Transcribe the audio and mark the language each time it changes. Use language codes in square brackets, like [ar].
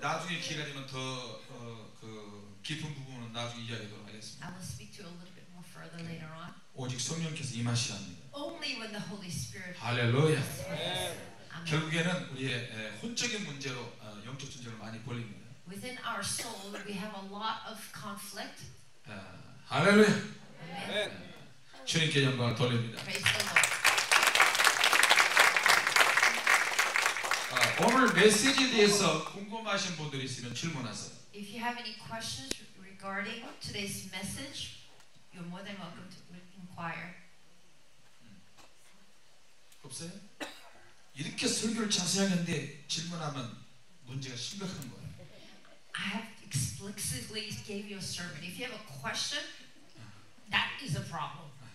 [ko] 나중에 기회가 되면 더 깊은 부분은 나중에 이야기하도록 하겠습니다. [en] I will speak to you a little bit more further later on. [ko] 오직 성령께서 임하시랍니다. [en] Only when the Holy Spirit. [ko] 할렐루야. 결국에는 우리의 혼적인 문제로 영적 전쟁을 많이 벌립니다. [en] Within our soul, we have a lot of conflict. [ko] 할렐루야. 주님께 영광을 돌립니다. [en] Praise the Lord. [ko] 오늘 메시지에 대해서 궁금하신 분들이 있으면 질문하세요. [en] If you have any questions regarding today's message, you're more than welcome to inquire. [ko] 없어요? 이렇게 설교를 자세히 하는데 질문하면 문제가 심각한 거예요. [en] I have explicitly gave you a sermon. If you have a question, that is a problem.